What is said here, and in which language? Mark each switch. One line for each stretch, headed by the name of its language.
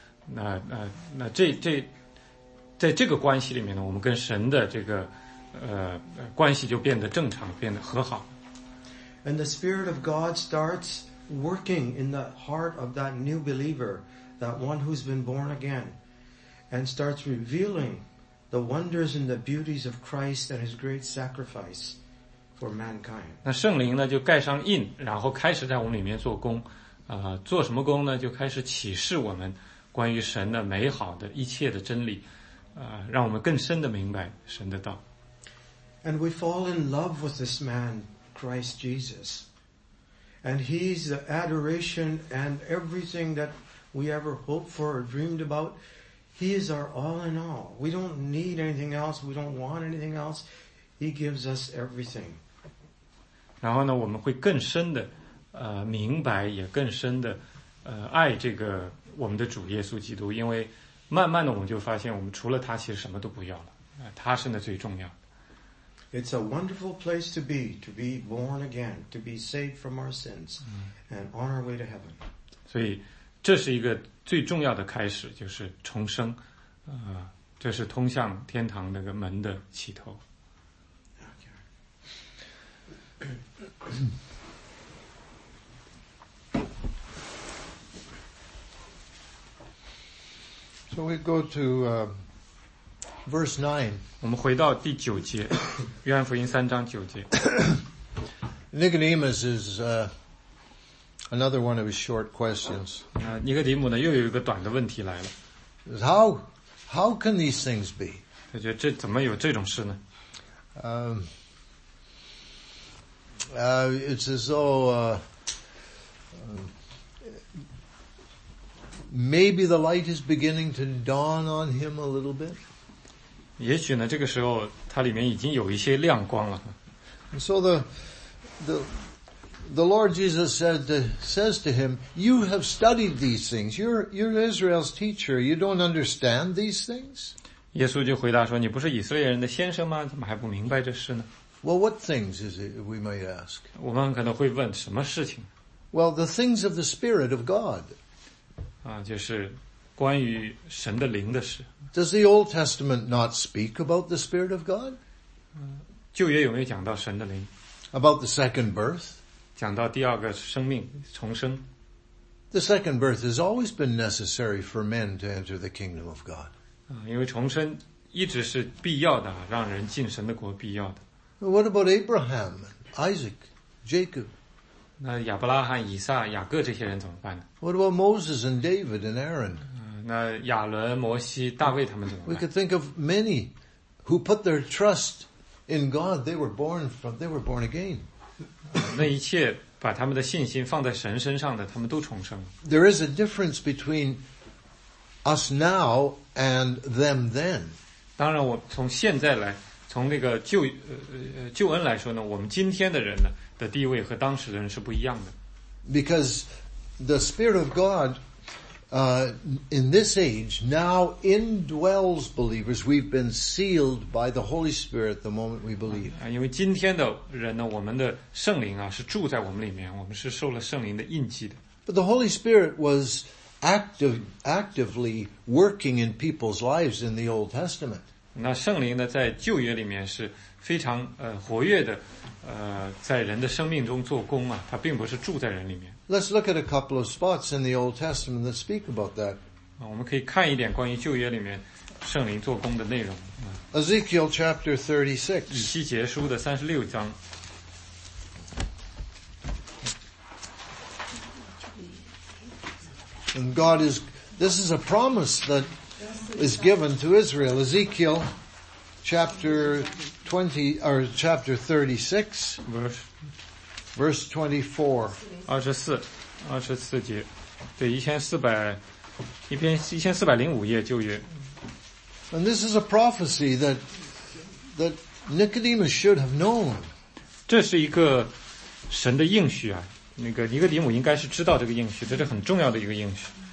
Chinese: 那这在这个关系里面呢，我们跟神的这个关系就变得正常，变得和好。
English: And the Spirit of God starts working in the heart of that new believer, that one who's been born again, and starts revealing the wonders and the beauties of Christ and His great sacrifice for mankind.
Chinese: 那圣灵呢，就盖上印，然后开始在我们里面做工，做什么工呢？就开始启示我们关于神的美好的一切的真理，让我们更深的明白神的道。
English: And we fall in love with this man. Christ Jesus. And he's the adoration and everything that we ever hoped for or dreamed about. He is our all in all. We don't need anything else. We don't want anything else. He gives us everything.
Chinese: 然后呢，我们会更深的明白，也更深的爱这个我们的主耶稣基督，因为慢慢的我们就发现，我们除了他其实什么都不要了，他是那最重要。
English: It's a wonderful place to be born again, to be saved from our sins, and on our way to heaven.
Chinese: 所以这是一个最重要的开始，就是重生，这是通向天堂那个门的起头。
English: So So we go to verse 9.
Chinese: 我们回到第九节，约翰福音三章九节。
English: Nicodemus is another one of his short questions.
Chinese: 尼哥底母呢，又有一个短的问题来了。
English: How can these things be?
Chinese: 他觉得这怎么有这种事呢？
English: It's as though maybe the light is beginning to dawn on him a little bit.
Chinese: 也许呢，这个时候他里面已经有一些亮光了。
English: And so the Lord Jesus says to him, "You have studied these things. You're Israel's teacher. You don't understand these things."
Chinese: 耶稣就回答说：“你不是以色列人的先生吗？怎么还不明白这事呢？”
English: Well, what things is it we might ask?
Chinese: 我们可能会问什么事情？
English: Well, the things of the Spirit of God.
Chinese: 就是关于神的灵的事。
English: Does the Old Testament not speak about the Spirit of God?
Chinese: 旧约有没有讲到神的灵？
English: About the second birth.
Chinese: 讲到第二个生命，重生。
English: The second birth has always been necessary for men to enter the kingdom of God.
Chinese: 因为重生一直是必要的，让人进神的国必要的。
English: What about Abraham, Isaac, Jacob?
Chinese: 那亚伯拉罕、以撒、雅各这些人怎么办呢？
English: What about Moses and David and Aaron?
Chinese: 那亚伦、摩西、大卫他们怎么办？
English: We could think of many who put their trust in God. They were born again.
Chinese: 那一切把他们的信心放在神身上的，他们都重生了。
English: There is a difference between us now and them then.
Chinese: 当然，我从现在来。从那个救恩来说呢，我们今天的人呢的地位和当时的人是不一样的。
English: Because the Spirit of God, in this age now indwells believers. We've been sealed by the Holy Spirit the moment we believe.
Chinese: 因为今天的人呢，我们的圣灵啊是住在我们里面，我们是受了圣灵的印记的。
English: But the Holy Spirit was actively working in people's lives in the Old Testament.
Chinese: 那圣灵呢，在旧约里面是非常活跃的，在人的生命中做工啊，它并不是住在人里面。
English: Let's look at a couple of spots in the Old Testament that speak about that.
Chinese: 我们可以看一点关于旧约里面圣灵做工的内容。
English: Ezekiel chapter 36.
Chinese: 以西结书的三十六章。
English: And God is, this is a promise that. Is given to Israel. Ezekiel chapter 20 or chapter 36 verse
Chinese: 24. 24节，对，1405页旧约。
English: And this is a prophecy that Nicodemus should have known.
Chinese: 这是一个神的应许啊，那个尼哥底母应该是知道这个应许，这是很重要的一个应许。